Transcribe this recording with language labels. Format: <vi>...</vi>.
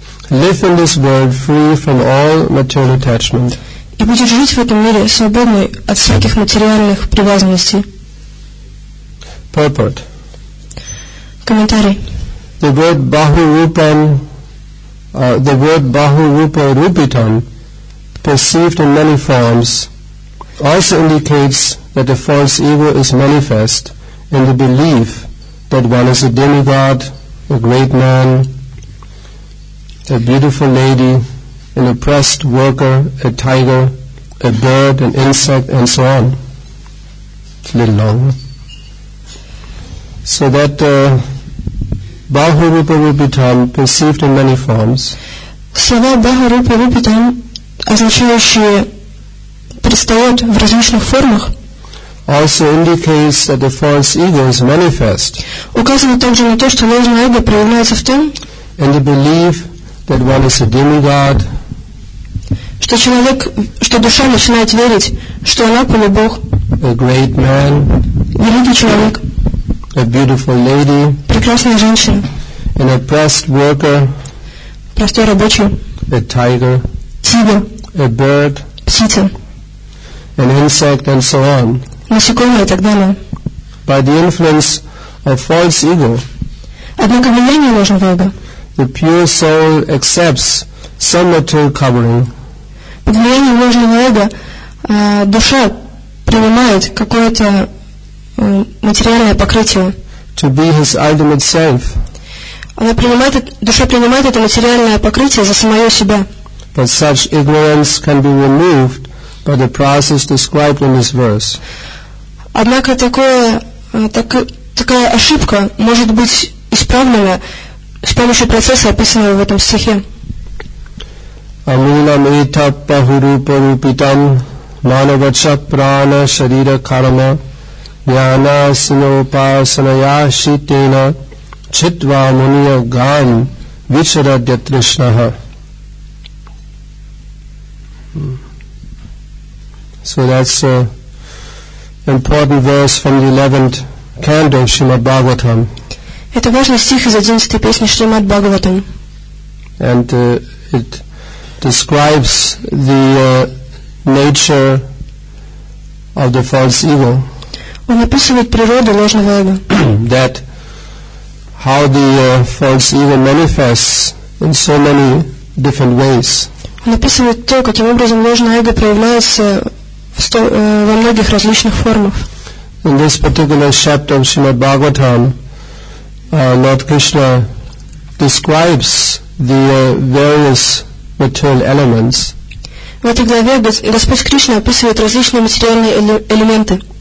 <en>Live in this world free from all material attachment.</en> <ru>И будешь жить в этом мире свободной от всяких материальных привязанностей.</ru> <en>Purport.</en> <ru>Комментарий.</ru> <en>The word bahurupan, the word bahurupa rupitan, perceived in many forms, also indicates that the false ego is manifest in the belief that one is a demigod, a great man, a beautiful lady, an oppressed worker, a tiger, a bird, an insect, and so on. It's a little long. So that Bahurupa Rupitam perceived in many forms.</en> <ru>Слова Bahurupa Rupitam, означающие предстает в различных формах,</ru> <en>also indicates that the false ego is manifest.</en> <ru>Указывает также на то, что ложное эго проявляется в том,</ru> <en>and the belief that one is a demigod.</en> <ru>Что человек, что душа начинает верить, что она полубог.</ru> <en>A great man.</en> <ru>Великий человек.</ru> <en>A beautiful lady.</en> <ru>Прекрасная женщина.</ru> <en>An oppressed worker.</en> <ru>Простой рабочий.</ru> <en>A tiger.</en> <ru>Тигр.</ru> <en>A bird.</en> <ru>Птица.</ru> <en>An insect and so on.</en> <ru>Насекомое и так далее.</ru> <en>By the influence of false ego.</en> <ru>Однако влияние ложного эго.</ru> <en>The pure soul accepts some material covering.</en> <ru>Под влиянием ложного эго душа принимает какое-то материальное покрытие.</ru> <en>To be his ultimate self.</en> <ru>Она принимает, душа принимает это материальное покрытие за самое себя.</ru> <en>But such ignorance can be removed by the process described in this verse.</en> <ru>Однако такая ошибка может быть исправлена с помощью процесса, описанного в этом стихе.</ru> <sa>Амунам итап бахурупа рупитам манавача прана шарира карма яна синопасана яшитена читва муния ган вичарадья тришнаха.</sa> <en>So that's an important verse from the 11th canto of Srimad Bhagavatam.</en> <ru>Это важный стих из 11-й песни Шримад Бхагаватам.</ru> <en>And it describes the nature of the false ego.</en> <ru>Он описывает природу ложного эго.</ru> <en>That how the false ego manifests in so many different ways.</en> <ru>Он описывает то, каким образом ложное эго проявляется во многих различных формах.</ru> <en>In this particular chapter of Srimad Bhagavatam, Lord Krishna describes the various material elements.</en> <ru>В этой главе Господь Кришна описывает различные материальные элементы,</ru>